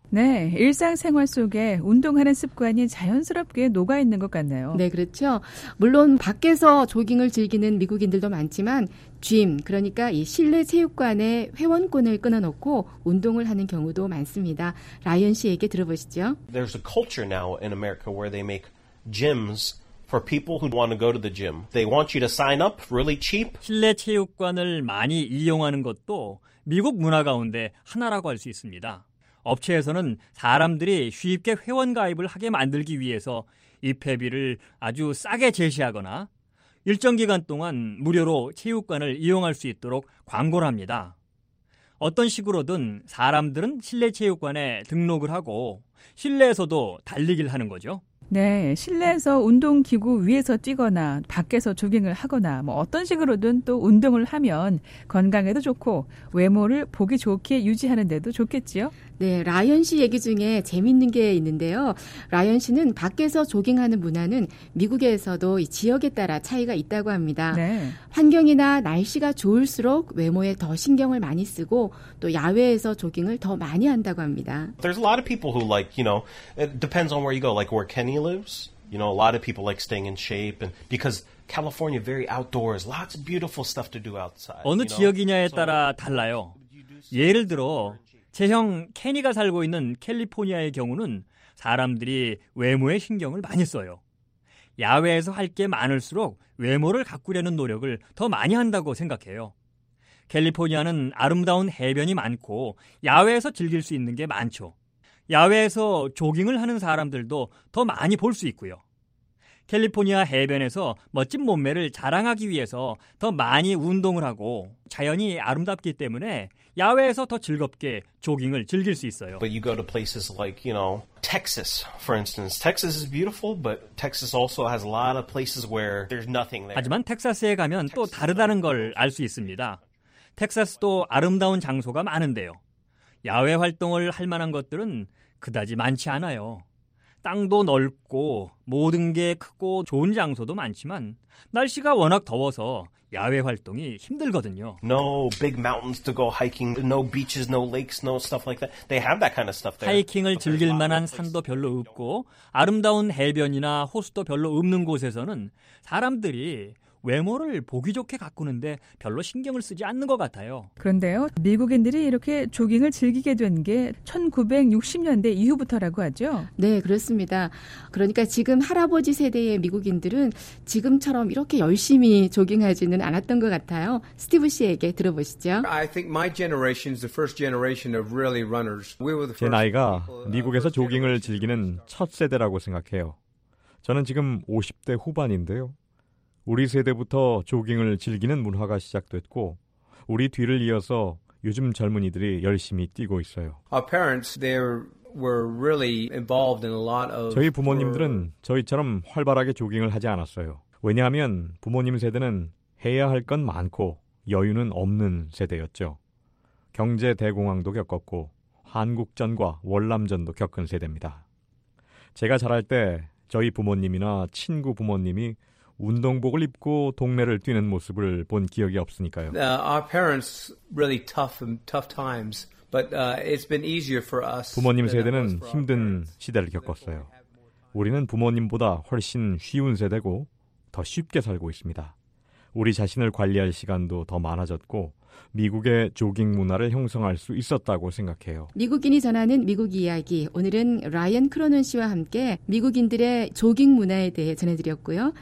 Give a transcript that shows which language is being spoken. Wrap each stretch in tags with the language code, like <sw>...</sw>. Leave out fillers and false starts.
<ko>네, 일상생활 속에 운동하는 습관이 자연스럽게 녹아있는 것 같네요. 네, 그렇죠. 물론 밖에서 조깅을 즐기는 미국인들도 많지만 짐, 그러니까 이 실내 체육관에 회원권을 끊어놓고 운동을 하는 경우도 많습니다. 라이언 씨에게 들어보시죠.</ko> <en>There's a culture now in America where they make gyms for people who want to go to the gym. They want you to sign up really cheap.</en> <ko>실내 체육관을 많이 이용하는 것도 미국 문화 가운데 하나라고 할 수 있습니다. 업체에서는 사람들이 쉽게 회원 가입을 하게 만들기 위해서 입회비를 아주 싸게 제시하거나 일정 기간 동안 무료로 체육관을 이용할 수 있도록 광고를 합니다. 어떤 식으로든 사람들은 실내 체육관에 등록을 하고 실내에서도 달리기를 하는 거죠. 네, 실내에서 운동기구 위에서 뛰거나 밖에서 조깅을 하거나 뭐 어떤 식으로든 또 운동을 하면 건강에도 좋고 외모를 보기 좋게 유지하는 데도 좋겠지요? 네, 라이언 씨 얘기 중에 재밌는 게 있는데요. 라이언 씨는 밖에서 조깅하는 문화는 미국에서도 이 지역에 따라 차이가 있다고 합니다. 네. 환경이나 날씨가 좋을수록 외모에 더 신경을 많이 쓰고 또 야외에서 조깅을 더 많이 한다고 합니다.</ko> <en>There's a lot of people who like, you know, it depends on where you go, like where Kenny lives. You know, a lot of people like staying in shape and because California very outdoors, lots of beautiful stuff to do outside.</en> <ko>어느</ko> <en>you know?</en> <ko>지역이냐에 따라 달라요. 예를 들어 제 형 케니가 살고 있는 캘리포니아의 경우는 사람들이 외모에 신경을 많이 써요. 야외에서 할 게 많을수록 외모를 가꾸려는 노력을 더 많이 한다고 생각해요. 캘리포니아는 아름다운 해변이 많고 야외에서 즐길 수 있는 게 많죠. 야외에서 조깅을 하는 사람들도 더 많이 볼 수 있고요. 캘리포니아 해변에서 멋진 몸매를 자랑하기 위해서 더 많이 운동을 하고 자연이 아름답기 때문에 야외에서 더 즐겁게 조깅을 즐길 수 있어요.</ko> <en>But you go to places like, you know, Texas, for instance. Texas is beautiful, but Texas also has a lot of places where there's nothing there.</en> <ko>하지만 텍사스에 가면 또 다르다는 걸 알 수 있습니다. 텍사스도 아름다운 장소가 많은데요. 야외 활동을 할 만한 것들은 그다지 많지 않아요. 땅도 넓고 모든 게 크고 좋은 장소도 많지만 날씨가 워낙 더워서 야외 활동이 힘들거든요.</ko> <en>No big mountains to go hiking, no beaches, no lakes, no stuff like that. They have that kind of stuff there.</en> <ko>하이킹을 즐길 만한 산도 별로 없고 아름다운 해변이나 호수도 별로 없는 곳에서는 사람들이 외모를 보기 좋게 가꾸는데 별로 신경을 쓰지 않는 것 같아요. 그런데요, 미국인들이 이렇게 조깅을 즐기게 된 게 1960년대 이후부터라고 하죠? 네, 그렇습니다. 그러니까 지금 할아버지 세대의 미국인들은 지금처럼 이렇게 열심히 조깅하지는 않았던 것 같아요. 스티브 씨에게 들어보시죠.</ko> <en>I think my generation is the first generation of really runners. We were the first.</en> <ko>제 나이가 미국에서 조깅을 즐기는 첫 세대라고 생각해요. 저는 지금 50대 후반인데요. 우리 세대부터 조깅을 즐기는 문화가 시작됐고 우리 뒤를 이어서 요즘 젊은이들이 열심히 뛰고 있어요.</ko> <en>Our parents, they were really involved in a lot of</en> <ko>저희 부모님들은 저희처럼 활발하게 조깅을 하지 않았어요. 왜냐하면 부모님 세대는 해야 할 건 많고 여유는 없는 세대였죠. 경제 대공황도 겪었고 한국전과 월남전도 겪은 세대입니다. 제가 자랄 때 저희 부모님이나 친구 부모님이 운동복을 입고 동네를 뛰는 모습을 본 기억이 없으니까요.</ko> <en>Our parents really tough times, but it's been easier for us.</en> <ko>부모님 세대는 힘든 시대를 겪었어요. 우리는 부모님보다 훨씬 쉬운 세대고 더 쉽게 살고 있습니다. 우리 자신을 관리할 시간도 더 많아졌고 미국의 조깅 문화를 형성할 수 있었다고 생각해요. 미국인이 전하는 미국 이야기, 오늘은 라이언 크로넌 씨와 함께 미국인들의 조깅 문화에 대해 전해드렸고요.</ko>